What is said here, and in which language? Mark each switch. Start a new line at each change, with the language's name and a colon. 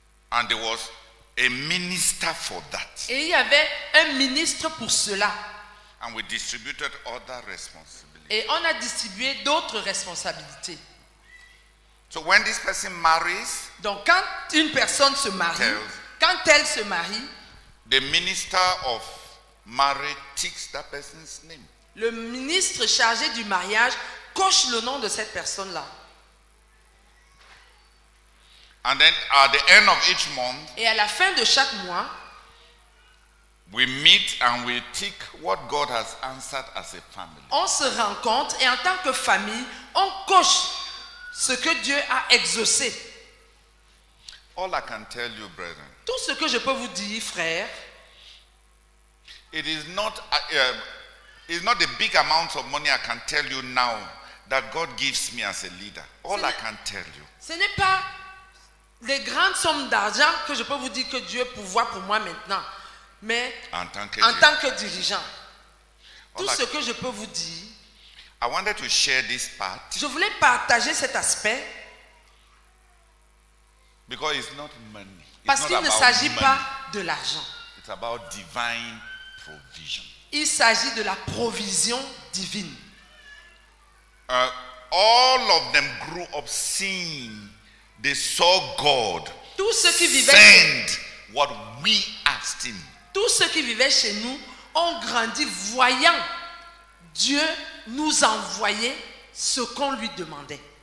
English: And there was a minister for that.
French: Et il y avait un ministre pour cela.
English: And we distributed other responsibilities.
French: Et on a distribué d'autres responsabilités.
English: So when this person marries,
French: donc quand une personne se marie, quand elle se marie,
English: the minister of marriage ticks that person's name.
French: Le ministre chargé du mariage coche le nom de cette personne-là.
English: And then at the end of each month,
French: et à la fin de chaque mois,
English: we meet and we tick what God has answered as a family.
French: On se rencontre et en tant que famille, on coche ce que Dieu a exaucé.
English: All I can tell you, brethren,
French: tout ce que je peux vous dire, frère,
English: it is not It's not the big amount of money I can tell you now that God gives me as a leader. All I can tell you.
French: Ce n'est pas les grandes sommes d'argent que je peux vous dire que Dieu pourvoit pour moi maintenant, mais en tant que dirigeant. Tout ce que je peux vous dire.
English: I wanted to share this part.
French: Je voulais partager cet aspect.
English: Because it's not money.
French: Parce qu'il ne s'agit pas de l'argent.
English: It's about divine provision.
French: Il s'agit de la provision divine.
English: All of them grew up seeing, they saw God.
French: Tous ceux qui vivaient chez nous,
English: what we asked him.
French: Tous ceux qui vivaient chez nous ont grandi voyant Dieu nous envoyer ce qu'on lui demandait.